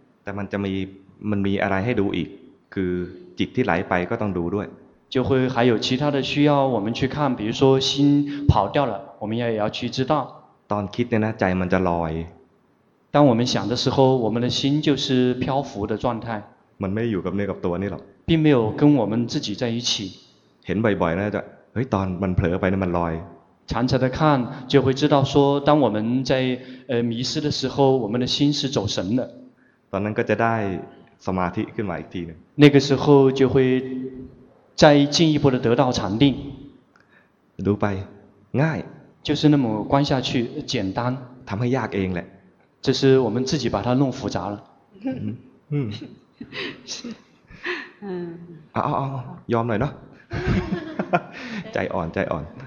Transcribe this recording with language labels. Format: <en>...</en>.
<th>แต่มันจะมีอะไรให้ดูอีกคือจิตที่ไหลไปก็ต้องดูด้วย</th> <zh>就会还有其他的需要我们去看比如说心跑掉了我们也要去知道</zh> <th>ตอนคิดเนี่ยนะใจมันจะลอย</th> <zh>当我们想的时候我们的心就是漂浮的状态</zh> <th>มันไม่อยู่กับเนื้อกับตัวนี่หรอก</th> <zh>并没有跟我们自己在一起</zh> <th>เห็นบ่อยๆนะจะเฮ้ยตอนมันเผลอไปนะมันลอย</th> <zh>常常的看就会知道说当我们在迷失的时候我们的心是走神的</zh> <th>ตอนนั้นก็จะได้สมาธิขึ้นมาอีกทีนึง</th> <zh>那个时候就会再进一步的得到禅定</zh> <th>ดูไปง่าย</th> <zh>就是那么观下去简单</zh> <th>ทำให้ยากเองแหละ</th> <zh>这是我们自己把它弄复杂了</zh> <th>是ยอมหน่อยเนาะใจอ่อนใจอ่อน</th>